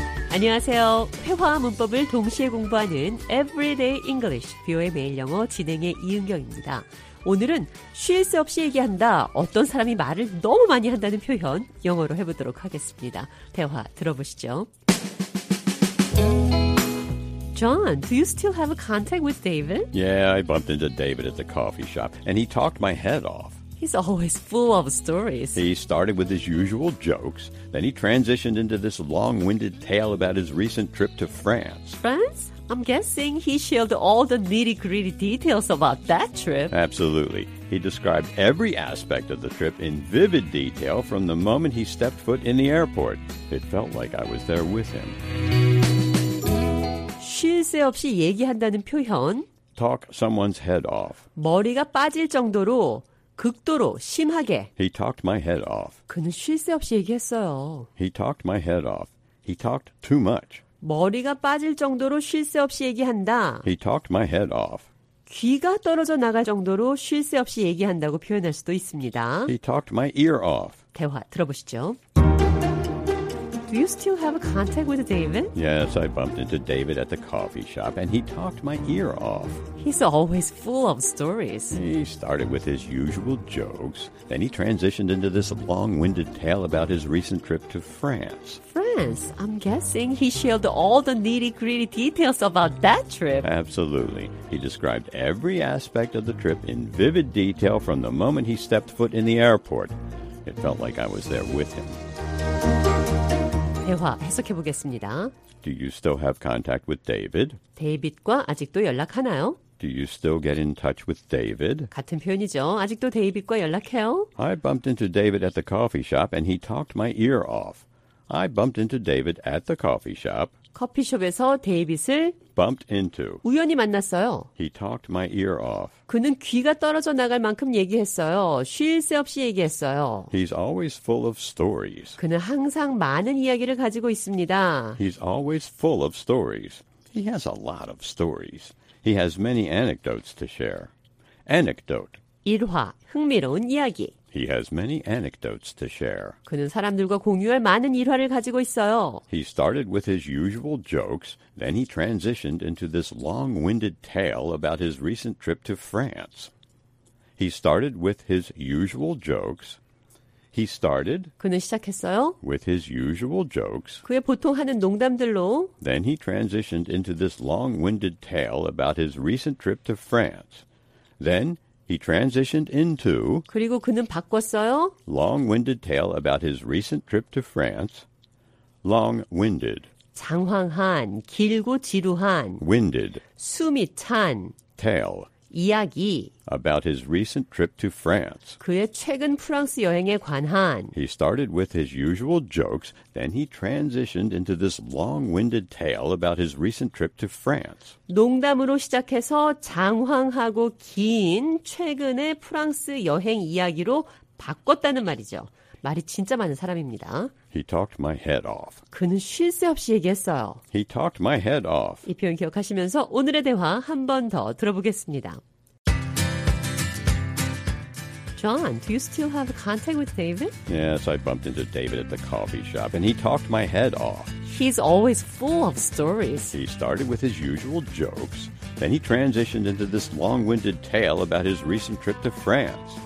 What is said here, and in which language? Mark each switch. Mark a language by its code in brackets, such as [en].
[ko] 안녕하세요. 회화 문법을 동시에 공부하는 Everyday English, 뷰의 매일 영어 진행의 이은경입니다. 오늘은 쉴 새 없이 얘기한다, 어떤 사람이 말을 너무 많이 한다는 표현 영어로 해보도록 하겠습니다. 대화 들어보시죠. [en] John, do you still have a contact with David? Yeah, I bumped into David at the coffee shop, and he talked my head off. He's always full of stories. He started with his usual jokes, then he transitioned into this long-winded tale about his recent trip to France. France? I'm guessing he shared all the nitty-gritty details about that trip. Absolutely. He described every aspect of the trip in vivid detail from the moment he stepped foot in the airport. It felt like I was there with him. [ko] 쉴 새 없이 얘기한다는 표현. [en] Talk someone's head off. [ko] 머리가 빠질 정도로 극도로 심하게. [en] He talked my head off. [ko] 그는 쉴 새 없이 얘기했어요. [en] He talked my head off. He talked too much. [ko] 머리가 빠질 정도로 쉴 새 없이 얘기한다. [en] He talked my head off. [ko] 귀가 떨어져 나갈 정도로 쉴 새 없이 얘기한다고 표현할 수도 있습니다. [en] He talked my ear off. [ko] 대화 들어보시죠. [en] Do you still have a contact with David? Yes, I bumped into David at the coffee shop and he talked my ear off. He's always full of stories. He started with his usual jokes, then he transitioned into this long-winded tale about his recent trip to France. France? I'm guessing he shared all the nitty-gritty details about that trip. Absolutely. He described every aspect of the trip in vivid detail from the moment he stepped foot in the airport. It felt like I was there with him. [ko] 대화 해석해 보겠습니다. [en] Do you still have contact with David? [ko] 데이빗과 아직도 연락하나요? [en] Do you still get in touch with David? [ko] 같은 표현이죠. 아직도 데이빗과 연락해요? [en] I bumped into David at the coffee shop and he talked my ear off. I bumped into David at the coffee shop. [ko] 커피숍에서 데이빗을 [en] bumped into [ko] 우연히 만났어요. [en] He talked my ear off. [ko] 그는 귀가 떨어져 나갈 만큼 얘기했어요. 쉴 새 없이 얘기했어요. [en] He's always full of stories. [ko] 그는 항상 많은 이야기를 가지고 있습니다. [en] He's always full of stories. He has a lot of stories. He has many anecdotes to share. Anecdote. [ko] 일화, 흥미로운 이야기. [en] He has many anecdotes to share. [ko] 그는 사람들과 공유할 많은 일화를 가지고 있어요. [en] He started with his usual jokes, then he transitioned into this long-winded tale about his recent trip to France. He started with his usual jokes. He started [ko] 그는 시작했어요. [en] With his usual jokes. [ko] 그의 보통 하는 농담들로 [en] Then he transitioned into this long-winded tale about his recent trip to France. Then He transitioned into [ko] 그리고 그는 바꿨어요. [en] Long-winded tale about his recent trip to France. Long-winded. [ko] 장황한, 길고 지루한. [en] Winded. [ko] 숨이 찬. [en] Tale. [ko] 이야기. [en] About his recent trip to France. [ko] 그의 최근 프랑스 여행에 관한. [en] He started with his usual jokes, then he transitioned into this long-winded tale about his recent trip to France. [ko] 농담으로 시작해서 장황하고 긴 최근의 프랑스 여행 이야기로 바꿨다는 말이죠. 말이 진짜 많은 사람입니다. [en] He talked my head off. [ko] 그는 쉴 새 없이 얘기했어요. [en] He talked my head off. [ko] 이 표현 기억하시면서 오늘의 대화 한 번 더 들어보겠습니다. [en] John, do you still have contact with David? Yes, I bumped into David at the coffee shop and he talked my head off. He's always full of stories. He started with his usual jokes. Then he transitioned into this long-winded tale about his recent trip to France.